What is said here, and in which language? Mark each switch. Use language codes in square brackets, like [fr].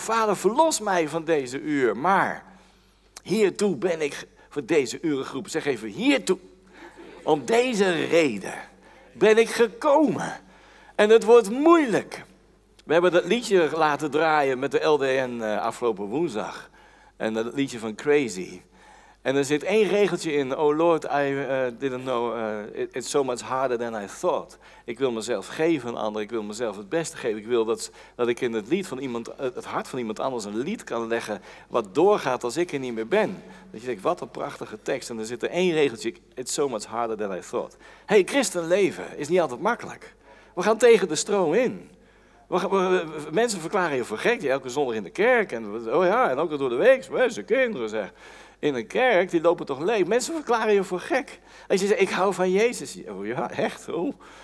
[nl] Vader, verlos mij van deze uur, maar hiertoe ben ik voor deze urengroep, zeg even hiertoe, om deze reden ben ik gekomen. En het wordt moeilijk. We hebben dat liedje laten draaien met de LDN afgelopen woensdag. En dat liedje van Crazy. En er zit 1 regeltje in. [en] Oh Lord, I didn't know, it's so much harder than I thought. [nl] Ik wil mezelf geven aan anderen, ik wil mezelf het beste geven. Ik wil dat ik in het lied van iemand, het hart van iemand anders een lied kan leggen wat doorgaat als ik er niet meer ben. Dat je denkt, wat een prachtige tekst. En er zit 1 regeltje, [en] it's so much harder than I thought. [nl] Hey, christen leven is niet altijd makkelijk. We gaan tegen de stroom in. Mensen verklaren je voor gek, die elke zondag in de kerk. En, oh ja, en ook al door de week, ze kinderen zeg. In een kerk, die lopen toch leeg. Mensen verklaren je voor gek. Als je zegt, ik hou van Jezus. Oh ja, echt? Oh.